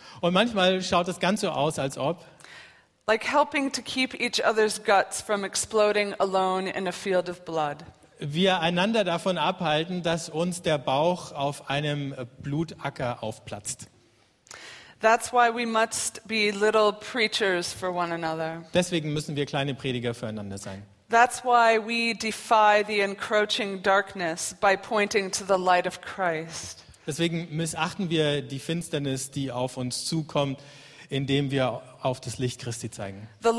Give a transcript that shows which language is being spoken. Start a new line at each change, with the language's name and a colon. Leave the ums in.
German: und manchmal schaut es ganz so aus, als ob
English: like helping to keep each other's guts from exploding alone in a field of blood.
German: Wir einander davon abhalten, dass uns der Bauch auf einem Blutacker aufplatzt.
English: That's why we must be little preachers for one another.
German: Deswegen müssen wir kleine Prediger füreinander sein.
English: That's why we defy the encroaching darkness by pointing to the light of Christ.
German: Deswegen missachten wir die Finsternis, die auf uns zukommt, indem wir auf das Licht Christi zeigen.